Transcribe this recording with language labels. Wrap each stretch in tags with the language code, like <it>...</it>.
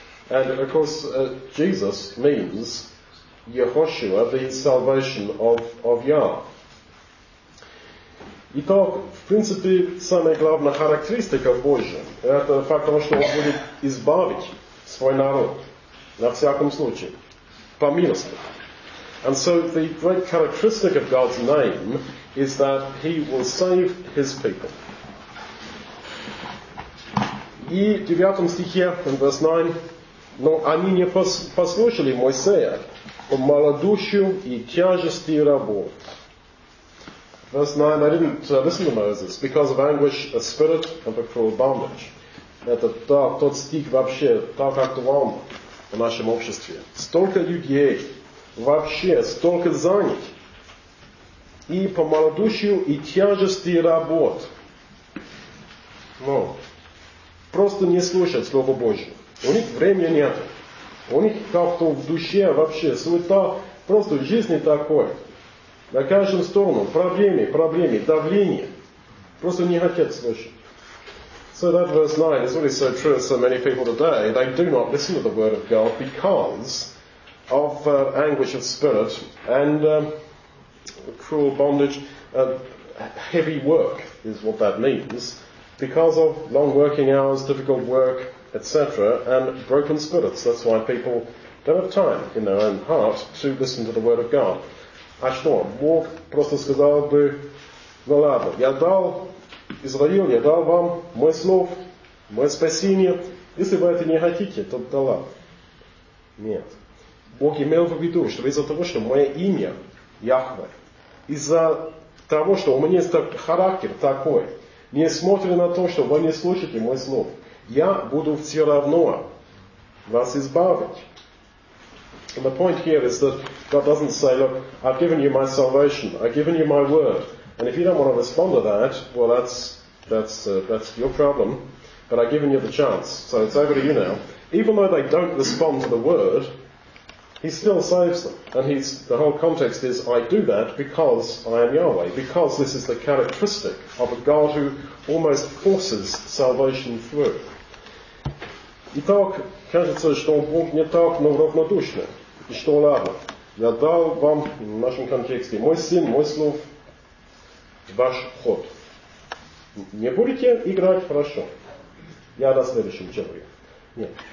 <en>And, of course, Jesus means Яхошуа, the salvation of Yah.</en> <ru>Итак, в принципе, самая главная характеристика Божья – это факт того, что Он будет избавить свой народ, на всяком случае, по милости.</ru> <en>And so the great characteristic of God's name is that He will save His people.</en> <ru>И в 9 стихе,</ru> <en>in verse 9,</en> <ru>«Но они не послушали Моисея по малодушию и тяжести рабов».</ru> <en>Verse 9, they didn't listen to Moses because of anguish of spirit and of cruel bondage.</en> <ru>Это так, тот стих вообще так актуален в нашем обществе. Столько людей, вообще столько занят, и по малодушию, и тяжести работ. Но просто не слушать Слово Божье. У них времени нет. У них как-то в душе вообще суета, просто в жизни такой. На каждом сторону проблемы, давление. Просто не хотят слышать.</ru> <en>So that verse 9 is really so true of so many people today. They do not listen to the word of God because of anguish of spirit and cruel bondage. Heavy work is what that means. Because of long working hours, difficult work, etc. And broken spirits. That's why people don't have time in their own heart to listen to the word of God.</en> <ru>А что, Бог просто сказал бы, ну ладно, я дал Израиль, я дал вам мой слов, мое спасение. Если вы это не хотите, то да ладно. Нет. Бог имел в виду, что из-за того, что мое имя Яхве, из-за того, что у меня есть характер такой, несмотря на то, что вы не слушаете мой слов, я буду все равно вас избавить.</ru> <en>And the point here is that God doesn't say, look, I've given you my salvation, I've given you my word. And if you don't want to respond to that, well, that's your problem. But I've given you the chance, so it's over to you now. Even though they don't respond to the word, he still saves them. And the whole context is, I do that because I am Yahweh, because this is the characteristic of a God who almost forces salvation through.</en> <ru>Итак, кажется, что Бог не так, но равнодушно. И что ладно. Я дал вам в нашем контексте мой сын, мой слов, ваш ход. Не будете играть хорошо. Я на следующем человеке. Нет.</ru>